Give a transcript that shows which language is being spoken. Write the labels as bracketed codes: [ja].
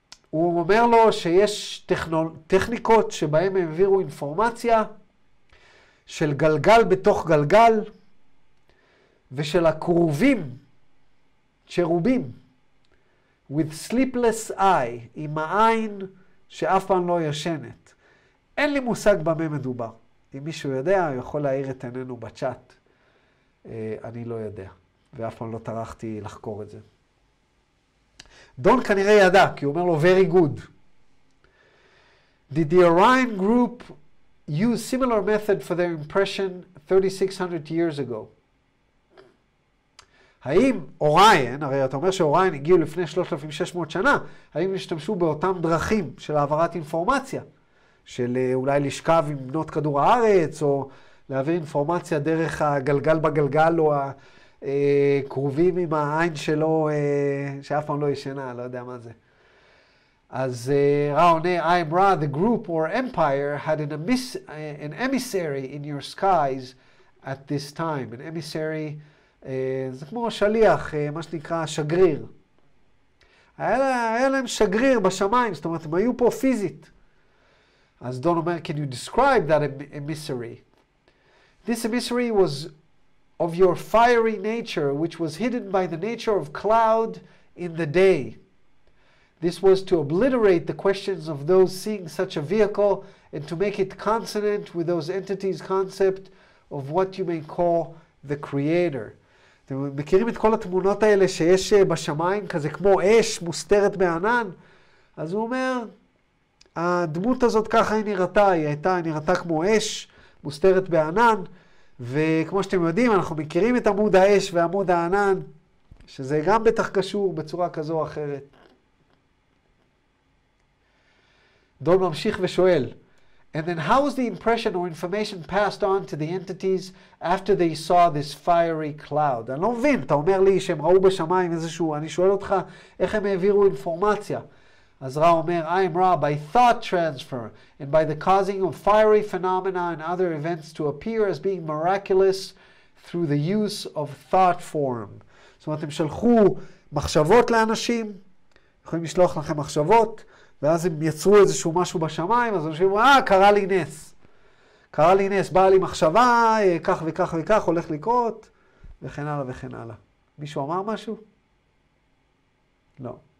[he] הוא אומר לו שיש טכניקות שבהם הם העבירו אינפורמציה של גלגל בתוך גלגל ושל הקרובים שרובים [en] with sleepless eye, [he] עם העין שאף פעם לא ישנת. אין לי מושג במה מדובר. אם מישהו יודע, יכול להעיר את עינינו בצ'אט. אני לא יודע. ואף פעם לא טרחתי לחקור את זה. דון כנראה ידע, כי הוא אומר לו, [en] very good. Did the Orion group use similar method for their impression 3600 years ago? [he] האם אוריין, הרי אתה אומר שאוריין הגיעו לפני 3600 שנה, האם השתמשו באותם דרכים של העברת אינפורמציה, של אולי לשכב עם בנות כדור הארץ, או להעביר אינפורמציה דרך הגלגל בגלגל, או קרובים עם העין שלו, שאף פעם לא ישנה, לא יודע מה זה. אז ראו נה, [en] I am Ra, the group or empire had an emissary in your skies at this time. An emissary, [he] זה כמו שליח, מה שנקרא שגריר. היה להם שגריר בשמיים, זאת אומרת, הם היו פה פיזית. אז דון אומר, [en] can you describe that emissary? This emissary was of your fiery nature, which was hidden by the nature of cloud in the day. This was to obliterate the questions of those seeing such a vehicle and to make it consonant with those entities' concept of what you may call the creator. [he] אתם מכירים את כל התמונות האלה שיש בשמיים, כזה כמו אש מוסתרת בענן? אז הוא אומר, הדמות הזאת ככה היא נראתה, היא הייתה נראתה כמו אש מוסתרת בענן, וכמו שאתם יודעים, אנחנו מכירים את עמוד האש ועמוד הענן, שזה גם בטח קשור בצורה כזו או אחרת. דון ממשיך ושואל, [en] And then how was the impression or information passed on to the entities after they saw this fiery cloud? [he] אני לא מבין, אתה אומר לי שהם ראו בשמיים איזשהו, אני שואל אותך איך הם העבירו אינפורמציה. אז רא אומר, [en] I am Ra, by thought transfer and by the causing of fiery phenomena and other events to appear as being miraculous through the use of thought form. [he] זאת אומרת, הם שלחו מחשבות לאנשים, יכולים לשלוח לכם מחשבות, ואז הם יצרו איזשהו משהו בשמיים, אז אנשים אומרים, קרה לי נס. קרה לי נס, באה לי מחשבה, כך וכך וכך, הולך לקרות, וכן הלאה וכן הלאה. מישהו אמר משהו? לא.